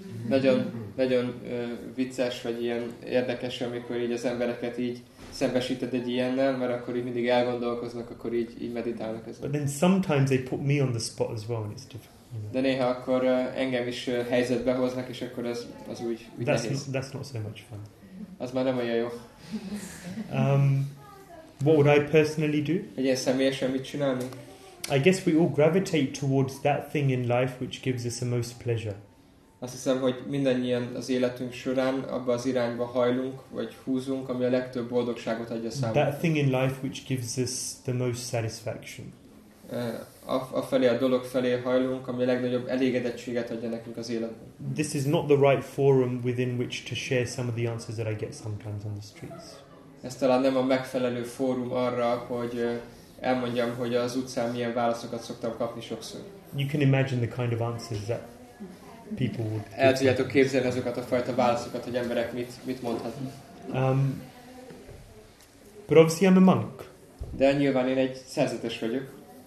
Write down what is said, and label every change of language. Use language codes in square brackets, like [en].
[hu] Nagyon, nagyon vicces, vagy ilyen érdekes, amikor így az embereket így szembesíted egy ilyennel, mert akkor így mindig elgondolkoznak, akkor így, így meditálnak ezen. [en] But then sometimes they put me on the spot as well, and it's different. [hu] De néha akkor engem is helyzetbe hoznak, és akkor az, az úgy, úgy [en] that's [hu] nehéz. [en] That's not so much fun. [hu] Az már nem olyan jó. [en] What would I personally do? [hu] Egy ilyen személyesen mit csinálni? [en] I guess we all gravitate towards that thing in life which gives us the most pleasure. [hu] Azt hiszem, hogy mindannyian az életünk során abba az irányba hajlunk, vagy húzunk, ami a legtöbb boldogságot adja számunkra. [en] That thing in life which gives us the most satisfaction. [hu] A felé, a dolog felé hajlunk, ami a legnagyobb elégedettséget adja nekünk az életben. [en] This is not the right forum within which to share some of the answers that I get sometimes on the streets. [hu] Ez talán nem a megfelelő fórum arra, hogy elmondjam, hogy az utcán milyen válaszokat szoktam kapni sokszor. [en] You can imagine the kind of answers that people would. [hu] El tudjátok képzelni azokat a fajta válaszokat, hogy emberek mit mondhatnak. [en] But obviously I'm a monk. [hu] De nyilván én egy szerzetes vagyok.